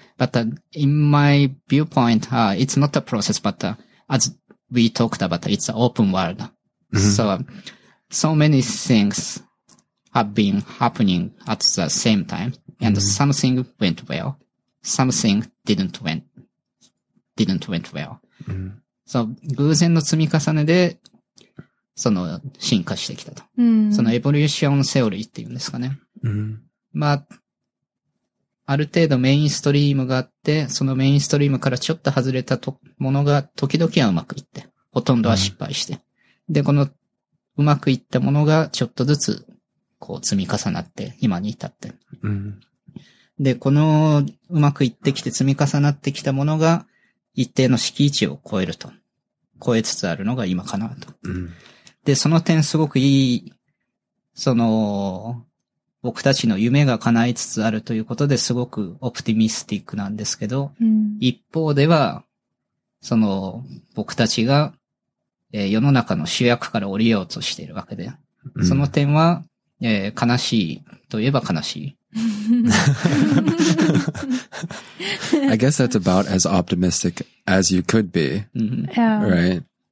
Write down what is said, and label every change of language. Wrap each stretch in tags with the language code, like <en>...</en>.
<en>But in my viewpoint, it's not a process, but as we talked about, it's an open world. So many things have been happening at the same time, and something went well, something didn't went well.</en> <ja>So, 偶然の積み重ねで、その、進化してきたと。その、エボリューションセオリーっていうんですかね。まあ、ある程度メインストリームがあって、そのメインストリームからちょっと外れたものが、時々はうまくいって、ほとんどは失敗して。で、この、うまくいったものが、ちょっとずつ、こう、積み重なって、今に至って。で、この、うまくいってきて、積み重なってきたものが、一定の敷地を超えると。超えつつあるのが今かなと。で、その点すごくいい、その、僕たちの夢が叶いつつあるということで、すごくオプティミスティックなんですけど、一方では、その、僕たちが、世の中の主役から降りようとしているわけで、その点は、悲しいといえば悲しい。</ja> <en>I guess that's about as optimistic as you could be, right?</en>